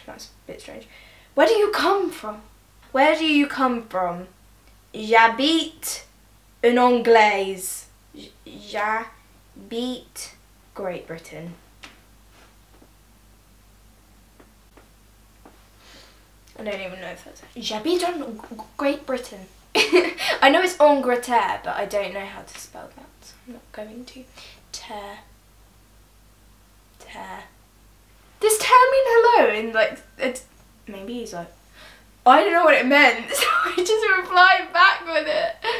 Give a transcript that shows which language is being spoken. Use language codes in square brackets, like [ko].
[en] That's a bit strange. Where do you come from? Where do you come from? [fr] J'habite en anglaise. J'habite Great Britain. [en] I don't even know if that's... [fr] J'habite en Great Britain. [en] I know it's Angleterre, but I don't know how to spell that. So I'm not going to. Ter. Does ter mean hello? And like, it's... Maybe he's like... I don't know what it meant, so I just replied back with it.